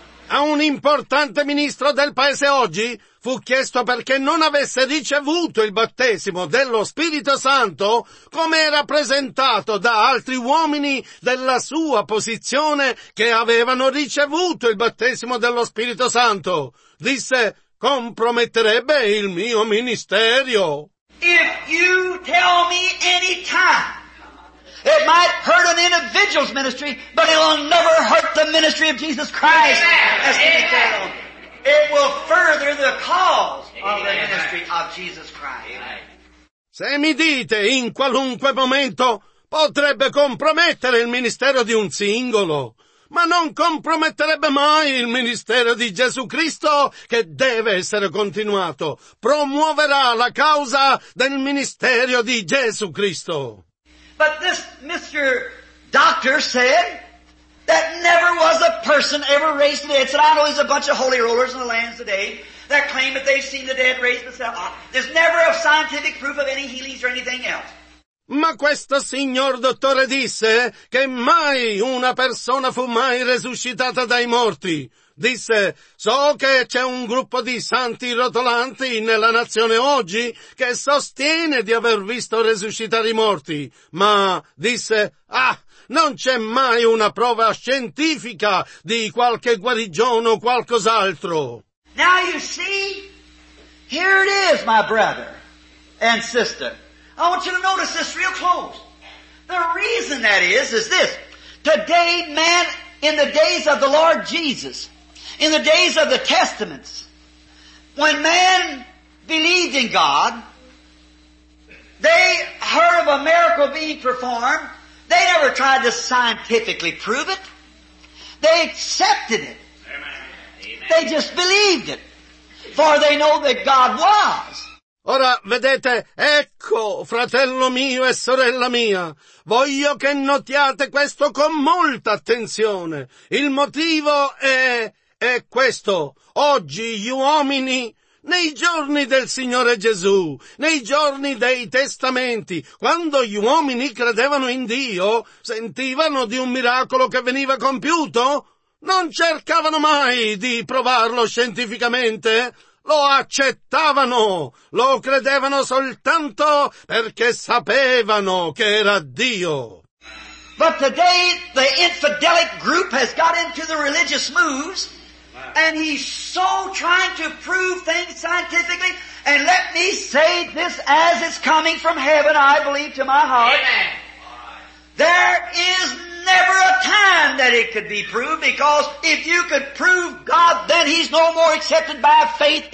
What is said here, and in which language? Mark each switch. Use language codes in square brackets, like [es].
[it] A un importante ministro del paese oggi fu chiesto perché non avesse ricevuto il battesimo dello Spirito Santo come era presentato da altri uomini della sua posizione che avevano ricevuto il battesimo dello Spirito Santo. Disse, comprometterebbe il mio ministero. [en] If you tell me any time, it might hurt an individual's ministry, but it'll never hurt the ministry of Jesus Christ. Amen. Amen. It will further the cause of the ministry of Jesus Christ. [it] Se mi dite in qualunque momento potrebbe compromettere il ministero di un singolo, ma non comprometterebbe mai il ministero di Gesù Cristo che deve essere continuato. Promuoverà la causa del ministero di Gesù Cristo. [en] But this Mr. Doctor said that never was a person ever raised to the dead. Said, I know there's a bunch of holy rollers in the lands today that claim that they've seen the dead raised themselves. There's never a scientific proof of any healings or anything else. [it] Ma questo signor dottore disse che mai una persona fu mai resuscitata dai morti. Disse, so che c'è un gruppo di santi rotolanti nella nazione oggi che sostiene di aver visto resuscitare i morti, ma disse, ah, non c'è mai una prova scientifica di qualche guarigione o qualcos'altro. [en] Now you see, here it is, my brother and sister. I want you to notice this real close. The reason that is this. Today, man, in the days of the Lord Jesus, in the days of the Testaments, when man believed in God, they heard of a miracle being performed. They never tried to scientifically prove it. They accepted it. Amen. They just believed it, for they know that God was. [it] Ora, vedete, ecco, fratello mio e sorella mia, voglio che notiate questo con molta attenzione. Il motivo è questo. Oggi gli uomini, nei giorni del Signore Gesù, nei giorni dei testamenti, quando gli uomini credevano in Dio, sentivano di un miracolo che veniva compiuto, non cercavano mai di provarlo scientificamente. Lo accettavano, lo credevano soltanto perché sapevano che era Dio. [en] But today the infidelic group has got into the religious moves and he's so trying to prove things scientifically, and let me say this as it's coming from heaven, I believe to my heart. Amen. There is never a time that it could be proved, because if you could prove God, then he's no more accepted by faith.